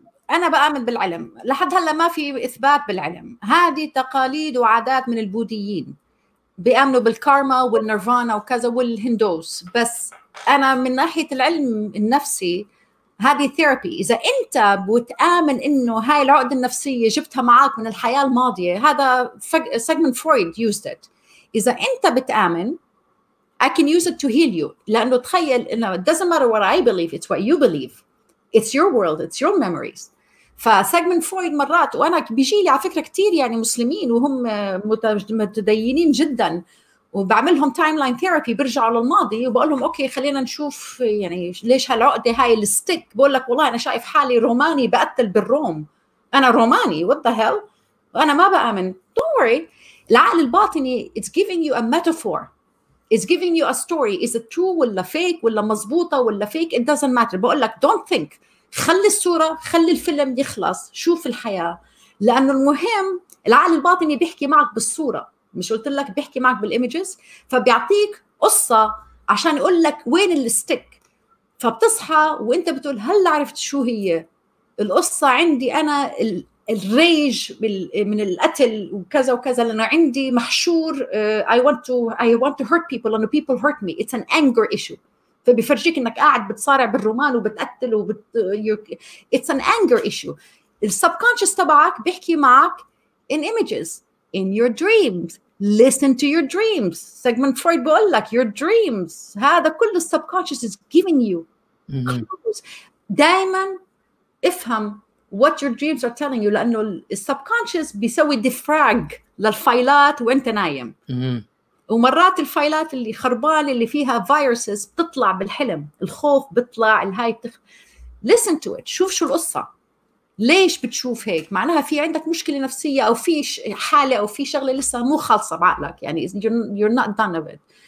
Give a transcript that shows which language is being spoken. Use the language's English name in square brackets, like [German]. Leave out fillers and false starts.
[Arabic] أنا بآمن بالعلم، لحد هلا ما في إثبات بالعلم، هذه تقاليد وعادات من البوذيين بيأمنوا بالكارما والنيرفانا وكذا والهندوس، بس أنا من ناحية العلم النفسي هذه ثيرابي. إذا أنت بتآمن إنه هاي العقد النفسية جبتها معاك من الحياة الماضية، هذا سيجمند فرويد يوزد إت. إذا أنت بتآمن [English] I can use it to heal you، [Arabic] لأنه تخيل إنه [English] it doesn't matter what I believe, it's what you believe. It's your world, it's your memories. [Arabic] فسيجمند فرويد مرات، وأنا بيجي لي على فكرة كتير يعني مسلمين وهم متدينين جدا، وبعملهم timeline therapy، برجع على الماضي وبقولهم أوكي خلينا نشوف يعني ليش هالعقدة هاي الستيك، بقول لك والله أنا شايف حالي روماني بقتل بالروم، أنا روماني [English] what the hell، [Arabic] وأنا ما بآمن. [English] Don't worry، [Arabic] العقل الباطني [English] it's giving you a metaphor. It's giving you a story. Is it true ولا fake [Arabic] ولا مزبوطة ولا [English] fake? It doesn't matter. [Arabic] بقول لك [English] don't think. [Arabic] خلي الصورة، خلي الفيلم يخلص، شوف الحياة. لأنه المهم العقل الباطني بيحكي معك بالصورة. مش قلت لك بيحكي معك بالإيميجز؟ فبيعطيك قصة عشان يقول لك وين الستيك. فبتصحى وانت بتقول هل عرفت شو هي؟ القصة عندي أنا الريج من القتل وكذا وكذا، لانه عندي محشور [English] I want to hurt people and people hurt me, it's an anger issue. [Arabic] فبيفرجيك انك قاعد بتصارع بالرومان وبتقتل [English] it's an anger issue. [Arabic] السبكونشس تبعك بيحكي معك [English] in images, in your dreams, listen to your dreams. [Arabic] سيجمند فرويد بيقول لك [English] your dreams [Arabic] هذا كل السبكونشس [English] is giving you clues. [Arabic] دائما افهم [English] what your dreams are telling you, [Arabic] لأنه السبكونشس بيسوي ديفراغ للفايلات وانت نايم. ومرات الفايلات اللي خربان اللي فيها فيروسز بتطلع بالحلم، الخوف بتطلع الهاي [English] listen to it، [Arabic] شوف شو القصة، ليش بتشوف هيك، معناها في عندك مشكلة نفسية أو في حالة أو في شغلة لسه مو خالصة بعقلك، يعني [English] you're not done with it.